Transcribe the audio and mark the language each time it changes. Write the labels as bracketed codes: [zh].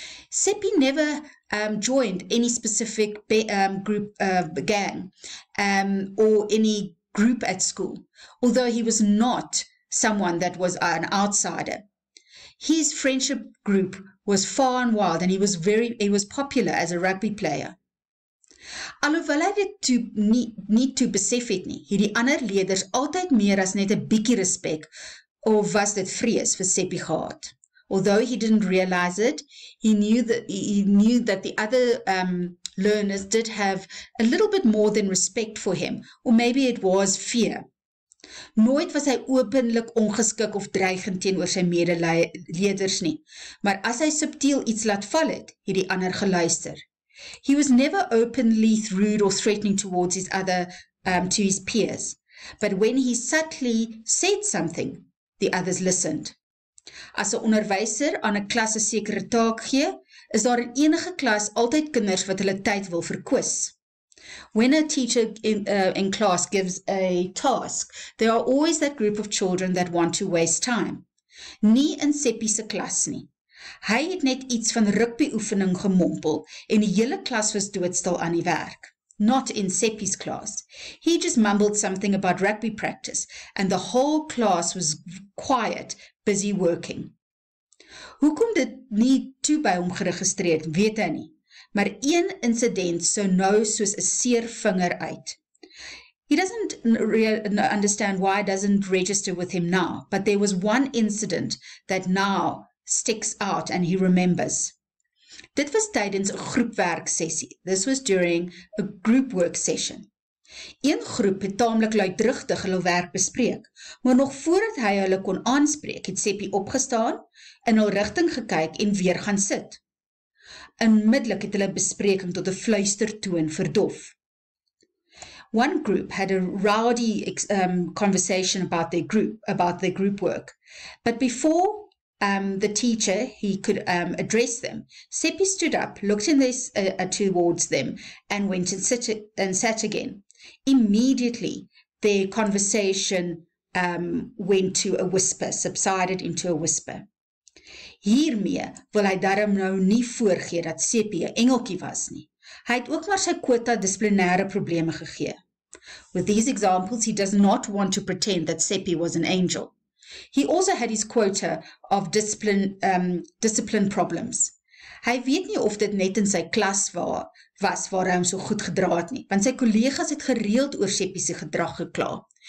[en] Seppi never joined any specific group gang or any group at school, although he was not someone that was an outsider. His friendship group was far and wild, and he was popular as a rugby player. [af] Alhoewel hy dit toe nie toe besef het nie, het die ander leders altyd meer as net 'n bietjie respek, of was dit vrees vir Seppi gehad. [en] Although he didn't realize it, he knew that the other learners did have a little bit more than respect for him, or maybe it was fear. [af] Nooit was hy openlik ongeskik of dreigend teenoor sy medeleerders nie, maar as hy subtiel iets laat val het, het die ander geluister. [en] He was never openly rude or threatening towards his other to his peers, but when he subtly said something, the others listened. [af] As 'n onderwyser aan 'n klas 'n sekere taak gee, is daar in enige klas altyd kinders wat hulle tyd wil verkwis. [en] When a teacher in class gives a task, there are always that group of children that want to waste time. [af] Nie in Seppi se klas nie. Hy het net iets van rugby oefening gemompel en die hele klas was doodstil aan die werk. [en] Not in Seppi's class. He just mumbled something about rugby practice and the whole class was quiet, busy working. [af] Hoekom dit nie toe by hom geregistreer, weet hy nie. Maar een incident sou nou soos 'n seer vinger uit. [en] He doesn't understand why it doesn't register with him now, but there was one incident that now sticks out and he remembers. [af] Dit was tydens 'n groepwerk sessie. [en] This was during a group work session. [af] Een groep het taamlik luidruchtig hulle werk bespreek, maar nog voordat hy hulle kon aanspreek, het Seppie opgestaan, in hulle richting gekyk en weer gaan sit. Inmiddellik het hulle bespreking tot 'n fluistertoon verdof. [en] One group had a rowdy conversation about their group work, but before the teacher he could address them, Seppie stood up, looked in this towards them, and went and sat again. Immediately, their conversation went to a whisper, subsided into a whisper. [af] Hiermee wil hy daarom nou nie voorgee dat Seppie 'n engeltjie was nie. Hy het ook maar sy kwota dissiplinêre probleme gegee. [en] With these examples, he does not want to pretend that Seppie was an angel. He also had his quota of discipline problems. [af] Hy weet nie of dit net in sy klas was waar hy hom so goed gedra het nie, want sy kollegas het gereeld oor Seppie se gedrag gekla.